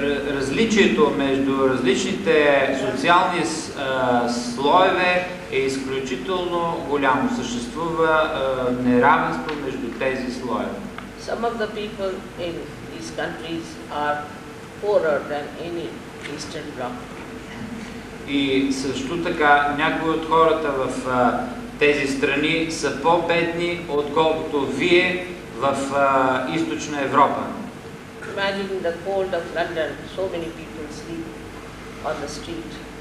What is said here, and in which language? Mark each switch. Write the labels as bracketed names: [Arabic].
[Bulgarian] Различието между различните социални слоеве е изключително голямо. Съществува неравенство между тези слоеве. [English] Some of the people in these countries are poorer than any Eastern Bloc. [Bulgarian] И също така някои от хората в тези страни са по-бедни, отколкото вие в Източна Европа. [English] Imagine the cold of London, so many people sleep on the street.